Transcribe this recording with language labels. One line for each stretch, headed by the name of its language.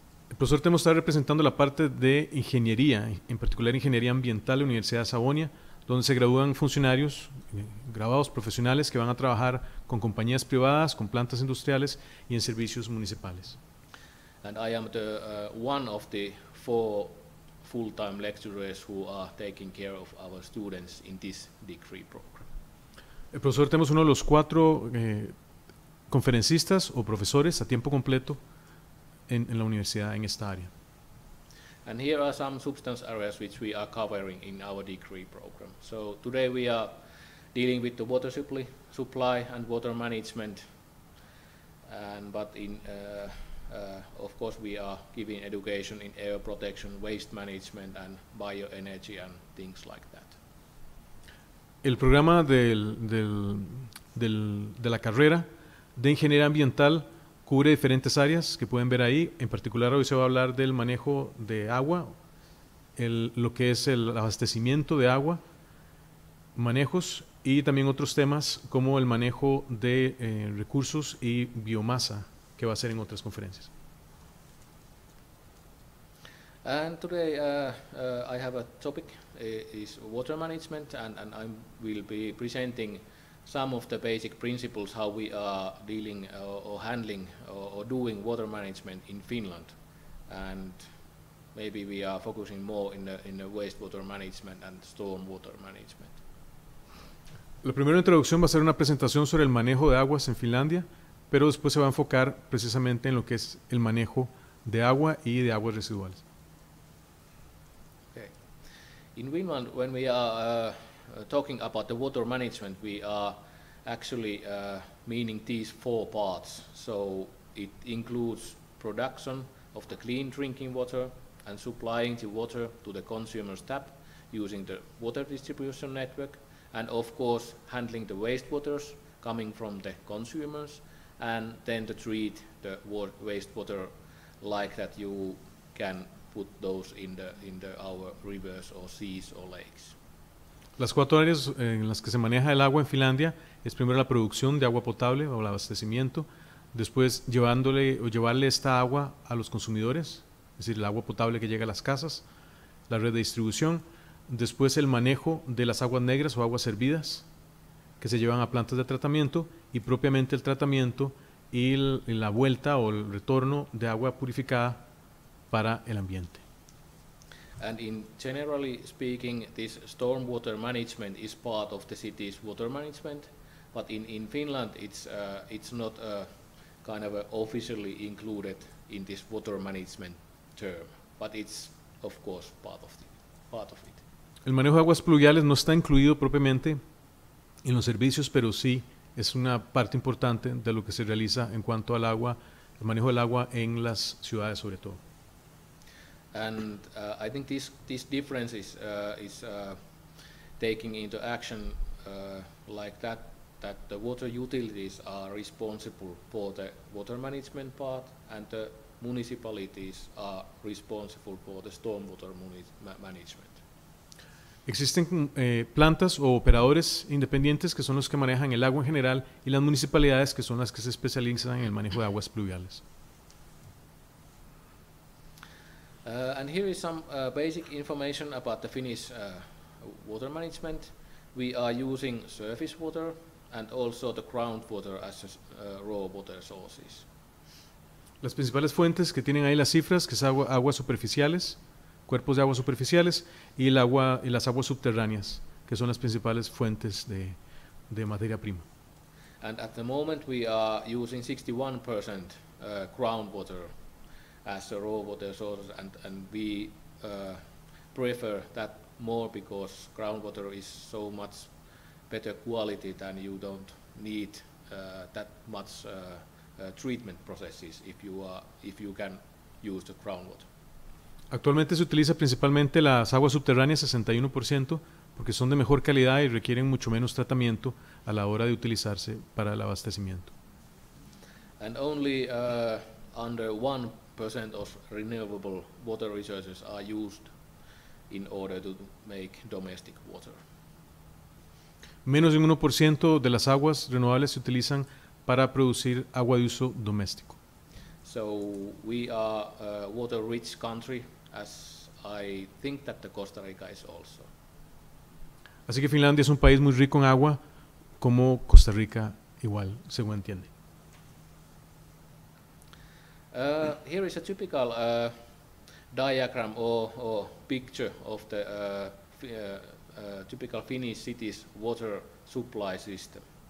Spanish: El profesor Temo está representando la parte de ingeniería, en particular ingeniería ambiental de la Universidad de Savonia, donde se gradúan funcionarios, graduados profesionales, que van a trabajar con compañías privadas, con plantas industriales y en servicios municipales.
English: And I am the one of the four full-time lecturers who are taking care of our students in this degree program.
Spanish: El profesor Temo es uno de los cuatro conferencistas o profesores a tiempo completo en la universidad en esta área.
English: And here are some substance areas which we are covering in our degree program. So today we are dealing with the water supply and water management, of course, we are giving education in air protection, waste management, and bioenergy, and things like that.
Spanish: El programa de la carrera de ingeniería ambiental cubre diferentes áreas que pueden ver ahí. En particular, hoy se va a hablar del manejo de agua, lo que es el abastecimiento de agua, manejos, y también otros temas como el manejo de recursos y biomasa, que va a ser en otras conferencias.
English: And today I have a topic, is water management, and I will be presenting some of the basic principles how we are dealing or handling or doing water management in Finland. And maybe we are focusing more in the wastewater management and storm water management.
Spanish: La primera introducción va a ser una presentación sobre el manejo de aguas en Finlandia, pero después se va a enfocar precisamente en lo que es el manejo de agua y de aguas residuales.
English: In Finland, when we are talking about the water management, we are actually meaning these four parts. So it includes production of the clean drinking water and supplying the water to the consumer's tap using the water distribution network, and of course handling the wastewaters coming from the consumers, and then to treat the wastewater like that you can put those in the our rivers or seas or lakes.
Spanish: Las cuatro áreas en las que se maneja el agua en Finlandia es primero la producción de agua potable o el abastecimiento, después llevarle esta agua a los consumidores, es decir, el agua potable que llega a las casas, la red de distribución, después el manejo de las aguas negras o aguas hervidas que se llevan a plantas de tratamiento y propiamente el tratamiento y la vuelta o el retorno de agua purificada para el ambiente.
English: And in generally speaking, this storm water management is part of the city's water management, but in Finland it's not a kind of a officially included in this water management term, but it's of course part of it.
Spanish: El manejo de aguas pluviales no está incluido propiamente en los servicios, pero sí es una parte importante de lo que se realiza en cuanto al agua, el manejo del agua en las ciudades sobre todo.
English: And I think this difference is taking into action like that the water utilities are responsible for the water management part, and the municipalities are responsible for the stormwater management.
Spanish: Existen plantas o operadores independientes que son los que manejan el agua en general y las municipalidades que son las que se especializan en el manejo de aguas pluviales.
English: And here is some basic information about the Finnish water management. We are using surface water and also the groundwater as raw water sources.
Spanish: Las principales fuentes que tienen ahí las cifras, que es aguas superficiales, cuerpos de aguas superficiales y el agua y las aguas subterráneas, que son las principales fuentes de materia prima.
English: And at the moment we are using 61% groundwater as a raw water source, and we prefer that more because groundwater is so much better quality than you don't need that much treatment processes if you can use the groundwater.
Spanish: Actualmente se utiliza principalmente las aguas subterráneas 61% porque son de mejor calidad y requieren mucho menos tratamiento a la hora de utilizarse para el abastecimiento.
English: And only under 1% of renewable water resources are used in order to make domestic water.
Spanish: Menos de un 1% de las aguas renovables se utilizan para producir agua de uso doméstico.
English: So we are a water rich country, as I think that the Costa Rica is also.
Spanish: Así que Finlandia es un país muy rico en agua, como Costa Rica igual, según entiende.
English: Here is a typical diagram or picture of the typical Finnish city's water supply system.